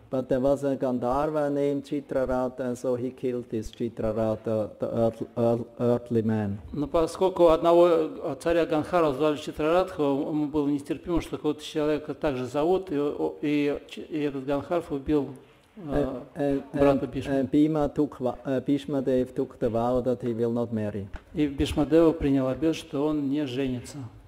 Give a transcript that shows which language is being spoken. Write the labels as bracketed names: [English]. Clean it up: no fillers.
[English] But there was a Gandharva named Chitrarata, and so he killed this Chitrarata, the earthly man. [Russian] Но поскольку одного царя Гандхарва звали Читраратха, ему было нестерпимо, что какого-то человека также зовут, и этот Гандхарва убил брата Бишма. [English] And Bhima took Bhishma Dev took the vow that he will not marry. [Russian] И Бишма Дева принял обет, что он не женится.